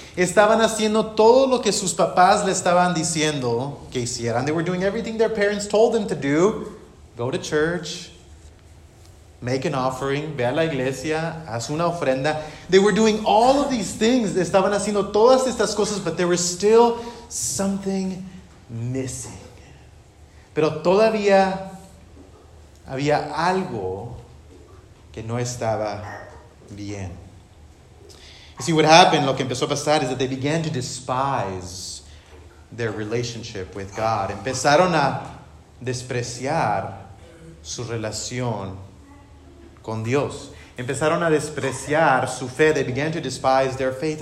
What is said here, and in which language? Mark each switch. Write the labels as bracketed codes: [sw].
[es] Estaban haciendo todo lo que sus papás le estaban diciendo que hicieran. [en] They were doing everything their parents told them to do. Go to church. Make an offering. [es] Ve a la iglesia. Haz una ofrenda. [en] They were doing all of these things. [es] Estaban haciendo todas estas cosas, [en] but there was still something missing. [es] Pero todavía había algo que no estaba bien. [en] You see, what happened, [es] lo que empezó a pasar, [en] is that they began to despise their relationship with God. [es] Empezaron a despreciar su relación con Dios. Empezaron a despreciar su fe. [en] They began to despise their faith.